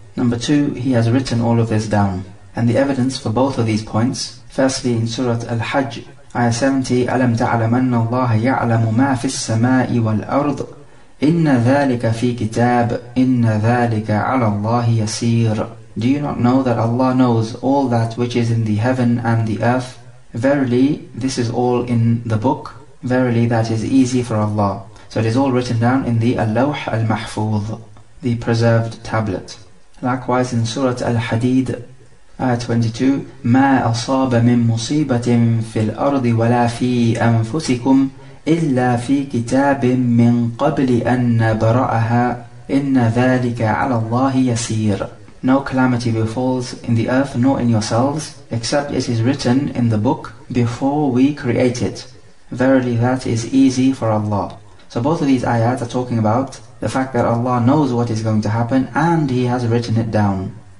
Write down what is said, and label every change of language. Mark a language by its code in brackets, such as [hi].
[en] Number two, He has written all of this down. And the evidence for both of these points, firstly in Surah Al-Hajj, Ayah 70, [ar] أَلَمْ تَعْلَمَنَّ اللَّهَ يَعْلَمُ مَا فِي السَّمَاءِ وَالْأَرْضِ إِنَّ ذَٰلِكَ فِي كِتَابٍ إِنَّ ذَٰلِكَ عَلَى اللَّهِ يَسِيرٌ. [en] Do you not know that Allah knows all that which is in the heaven and the earth? Verily, this is all in the book. Verily, that is easy for Allah. So it is all written down in the Al-Lawh Al-Mahfuz, the preserved tablet. Likewise in Surah Al-Hadid, Ayah 22, [ar] مَا أَصَابَ مِن مُصِيبَةٍ فِي الْأَرْضِ وَلَا فِي أَنفُسِكُمْ إِلَّا فِي كِتَابٍ مِّن قَبْلِ أَنَّ بَرَأَهَا إِنَّ ذَٰلِكَ عَلَى اللَّهِ يَسِيرٌ. [en] No calamity befalls in the earth nor in yourselves, except it is written in the book before we create it. Verily, that is easy for Allah. So both of these ayats are talking about the fact that Allah knows what is going to happen and He has written it down.